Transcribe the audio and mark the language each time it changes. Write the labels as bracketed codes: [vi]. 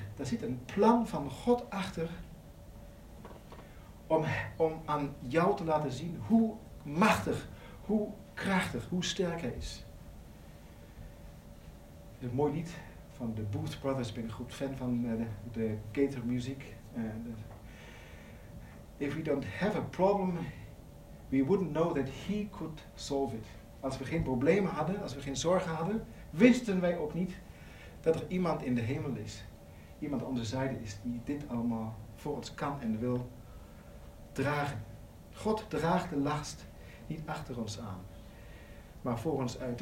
[nl] Daar zit een plan van God achter om aan jou te laten zien hoe machtig, hoe krachtig, hoe sterk hij is. Een mooi lied van de Booth Brothers. Ik ben een groot fan van de Gator Music. [en] If we don't have a problem, we wouldn't know that he could solve it. [nl] Als we geen problemen hadden, als we geen zorgen hadden, wisten wij ook niet dat er iemand in de hemel is. Iemand aan onze zijde is die dit allemaal voor ons kan en wil dragen. God draagt de last niet achter ons aan, maar voor ons uit.